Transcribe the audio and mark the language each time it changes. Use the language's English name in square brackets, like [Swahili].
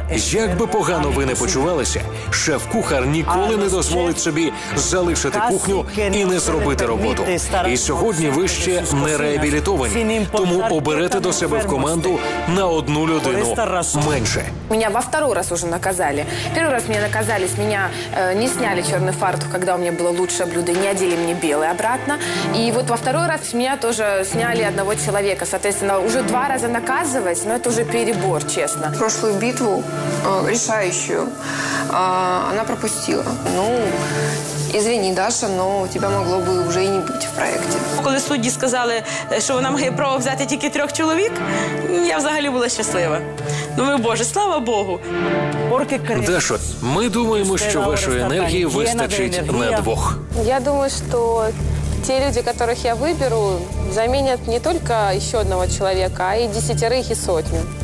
[Ukrainian] Як би погано ви не почувалися, шеф-кухар ніколи не дозволить собі залишити кухню і не зробити роботу. І сьогодні ви ще не реабілітовані, тому оберете до себе в команду на одну людину менше. [Russian] Меня во второй раз уже наказали. Первый раз меня наказали, с меня не сняли черный фартук, когда у меня было лучшее блюдо, не одели мне белый обратно. И вот во второй раз с меня тоже сняли одного человека. Соответственно, уже два раза наказывать, но это уже перебор, честно. Прошлую битву, решающую, она пропустила. Ну, извини, Даша, но тебя могло бы уже и не быть в проекте. Когда судьи сказали, что она имеет право взять только трех человек, я [Ukrainian] взагалі [Russian] была счастлива. [Ukrainian] Ну, ви, Боже, слава Богу! Дашо, ми думаємо, що вашої енергії вистачить на двох. Я думаю, що ті люди, яких я виберу, замінять не тільки ще одного чоловіка, а й десятерих, і сотню.